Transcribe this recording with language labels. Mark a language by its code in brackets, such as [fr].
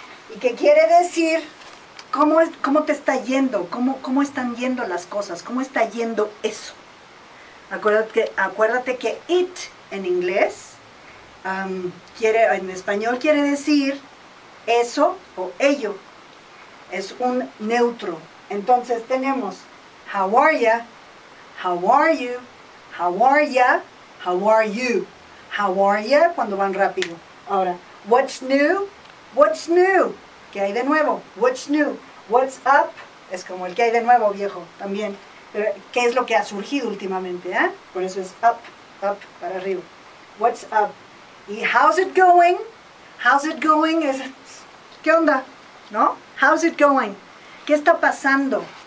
[es] Y que quiere decir, ¿cómo te está yendo? ¿Cómo están yendo las cosas? ¿Cómo está yendo eso? Acuérdate que it en inglés, en español quiere decir eso o ello, es un neutro. Entonces tenemos, [en] how are ya, how are you, how are ya, how are you, how are ya, [es] cuando van rápido. Ahora, [en] what's new, what's new, [es] ¿qué hay de nuevo? [en] What's new, what's up, [es] es como el que hay de nuevo, viejo, también. Pero, ¿qué es lo que ha surgido últimamente, eh? Por eso es up, up, para arriba. [en] What's up. [es] Y [en] how's it going, how's it going, [es] es, ¿qué onda? ¿No? [en] How's it going? [es] ¿Qué está pasando?